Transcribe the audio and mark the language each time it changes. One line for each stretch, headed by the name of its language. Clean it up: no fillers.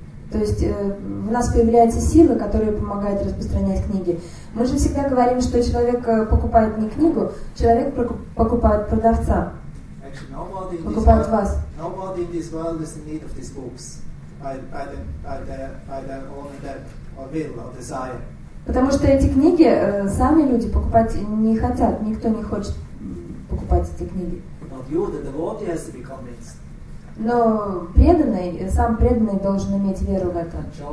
Russian: То есть в нас появляются силы, которые помогают распространять книги. Мы же всегда говорим, что человек покупает не книгу, человек покупает продавца. Покупает вас.
English: Nobody in this world is in need of these books. By their own debt or will or desire.
Russian: Потому что эти книги сами люди покупать не хотят. Никто не хочет покупать эти книги.
English: But you, the devotee, has to be convinced.
Russian: Но преданный, сам преданный должен иметь веру в это.